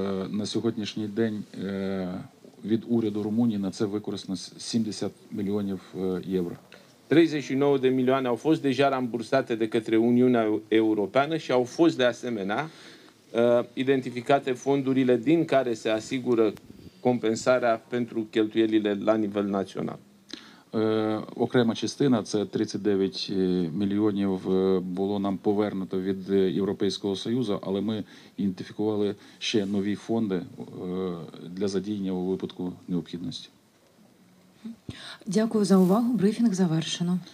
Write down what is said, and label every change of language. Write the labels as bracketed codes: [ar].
[uk] На сьогоднішній день від уряду Румунії на це використано 70 мільйонів євро. [ro] 39 de milioane au fost deja rambursate de către Uniunea Europeană și au fost de asemenea identificate fondurile din care se asigură compensarea pentru cheltuielile la nivel național. [uk] Окрема частина, це 39 мільйонів, було нам повернуто від Європейського Союзу, але ми ідентифікували ще нові фонди для задіяння у випадку необхідності. Дякую за увагу. Брифінг завершено.